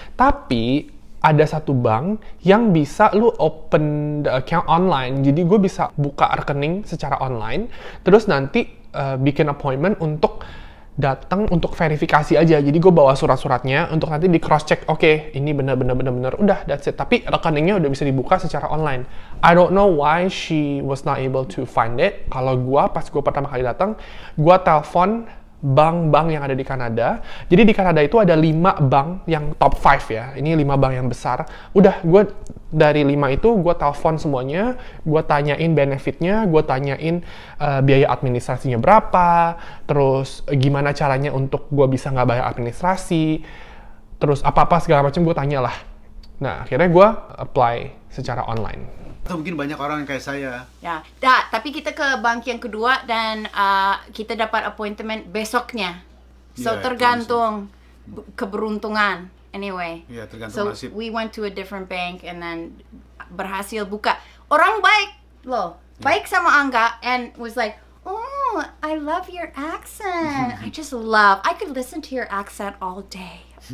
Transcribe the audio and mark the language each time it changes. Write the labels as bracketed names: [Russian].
[Indonesian] Tapi ada satu bank yang bisa lu [English] open the account online. [Indonesian] Jadi gue bisa buka rekening secara online. Terus nanti bikin appointment untuk datang untuk verifikasi aja. Jadi gue bawa surat-suratnya untuk nanti di cross-check. Okay, ini bener-bener, udah, [English] that's it. [Indonesian] Tapi rekeningnya udah bisa dibuka secara online. [English] I don't know why she was not able to find it. [Indonesian] Kalau gue, pas gue pertama kali datang, gue telpon bank-bank yang ada di Kanada. Jadi di Kanada itu ada 5 bank yang top 5 ya. Ini 5 bank yang besar. Udah, gue dari 5 itu gue telpon semuanya. Gue tanyain benefitnya. Gue tanyain biaya administrasinya berapa. Terus gimana caranya untuk gue bisa nggak bayar administrasi. Terus apa-apa segala macam gue tanya lah. Nah, akhirnya gue apply secara online. Atau mungkin banyak orang kayak saya. Ya, tapi kita ke bank yang kedua dan kita dapat appointment besoknya. So, yeah, tergantung keberuntungan. Anyway. Ya, yeah, tergantung nasib. [English] So, we went to a different bank and then [Indonesian] berhasil buka. Orang baik loh. Baik sama [English] Angga and was like, oh, I love your accent. I just love. I could listen to your accent all day.